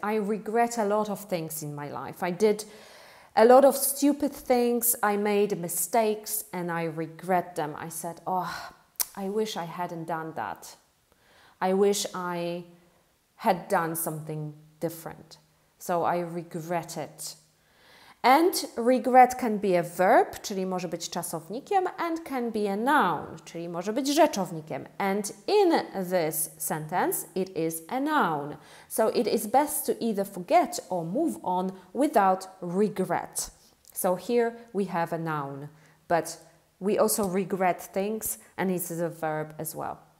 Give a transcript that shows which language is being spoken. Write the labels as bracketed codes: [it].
[en] I regret a lot of things in my life. I did a lot of stupid things. I made mistakes and I regret them. I said, oh, I wish I hadn't done that. I wish I had done something different. So I regret it. And regret can be a verb, [pl] czyli może być czasownikiem, [en] and can be a noun, [pl] czyli może być rzeczownikiem. [en] And in this sentence, it is a noun. So it is best to either forget or move on without regret. So here we have a noun, but we also regret things, and it is a verb as well.